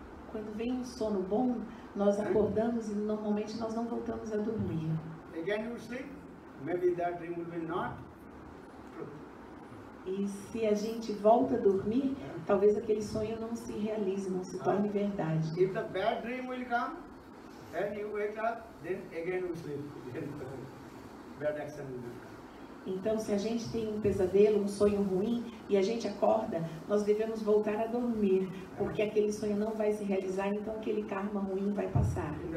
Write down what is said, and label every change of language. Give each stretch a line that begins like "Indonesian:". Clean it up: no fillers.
Portuguese: Quando vem um sono bom, nós acordamos e normalmente nós não voltamos a dormir.
English: Again you sleep, maybe that dream will be not true.
Portuguese: E se a gente volta a dormir, talvez aquele sonho não se realize, não se torne verdade.
English: If the bad dream will come, and you wake up, then again you sleep. Bad action will come.
Portuguese: Então, se a gente tem um pesadelo, um sonho ruim, e a gente acorda, nós devemos voltar a dormir, porque aquele sonho não vai se realizar, então aquele karma ruim vai passar.